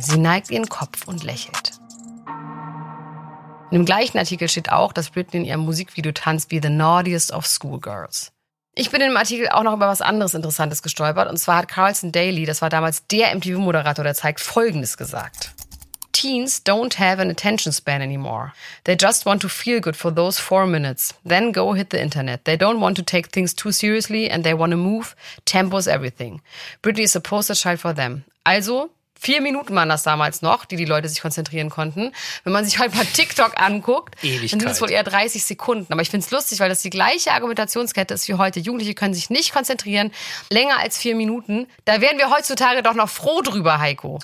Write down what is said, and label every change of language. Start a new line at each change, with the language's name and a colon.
German: Sie neigt ihren Kopf und lächelt. In dem gleichen Artikel steht auch, dass Britney in ihrem Musikvideo tanzt wie
English: The Naughtiest of Schoolgirls.
German: Ich bin in dem Artikel auch noch über was anderes Interessantes gestolpert. Und zwar hat Carlson Daly, das war damals der MTV-Moderator, der zeigt, Folgendes gesagt.
English: Teens don't have an attention span anymore. They just want to feel good for those 4 minutes. Then go hit the internet. They don't want to take things too seriously and they want to move. Tempo's everything. Britney is a poster child for them.
German: Also, 4 Minuten waren das damals noch, die Leute sich konzentrieren konnten. Wenn man sich heute mal TikTok anguckt, Ewigkeit. Dann sind es wohl eher 30 Sekunden. Aber ich finde es lustig, weil das die gleiche Argumentationskette ist wie heute. Jugendliche können sich nicht konzentrieren, länger als 4 Minuten. Da wären wir heutzutage doch noch froh drüber, Heiko.